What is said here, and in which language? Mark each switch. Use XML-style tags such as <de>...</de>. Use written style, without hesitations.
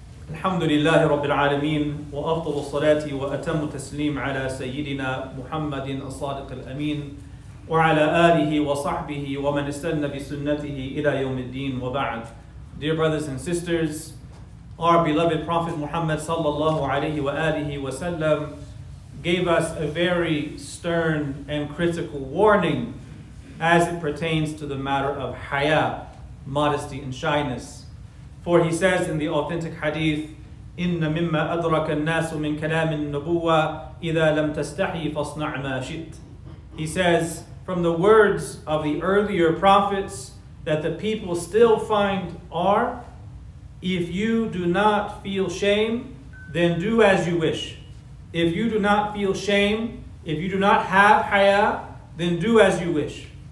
<ar>الحمد لله رب العالمين وأفضل الصلاة وأتم التسليم على سيدنا محمد الصادق الأمين وعلى آله وصحبه ومن استنى بسنته إلى يوم الدين وبعد.</ar> <en>Dear brothers and sisters, our beloved Prophet Muhammad</en> <ar>صلى الله عليه وآله وسلم</ar> <en>gave us a very stern and critical warning as it pertains to the matter of haya, modesty and shyness. For he says in the authentic hadith,</en> <ar>إِنَّ مِمَّا أَدْرَكَ النَّاسُ مِنْ كَلَامِ النَّبُوَّةِ إِذَا لَمْ تَسْتَحِي فَاصْنَعْ مَا شِئْتَ.</ar> <en>He says, from the words of the earlier prophets that the people still find are, if you do not feel shame, then do as you wish. If you do not feel shame, if you do not have haya, then do as you wish.</en>